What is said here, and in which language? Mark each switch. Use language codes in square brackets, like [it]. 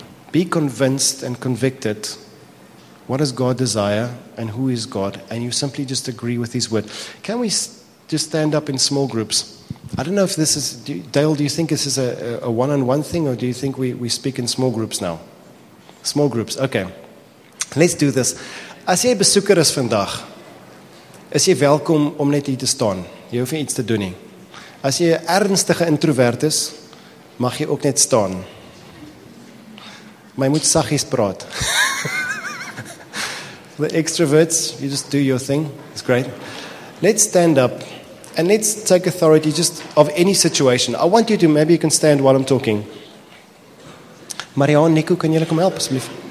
[en] Be convinced and convicted. What does God desire and who is God? And you simply just agree with his word. Can we just stand up in small groups? I don't know if this is, Dale, do you think this is a one-on-one thing, or do you think we speak in small groups now? Small groups, okay. Let's do this. [af] As jy besoeker is vandag, is jy welkom om net hier te staan. Jy hoef nie iets te doen nie. As jy 'n ernstige introvert is, mag jy ook net staan. Maar jy moet saggies praat. [en] The extroverts, you just do your thing. It's great. Let's stand up and let's take authority just of any situation. I want you to, maybe you can stand while I'm talking. Marianne, Nico, [af] kan jy kom help asseblief?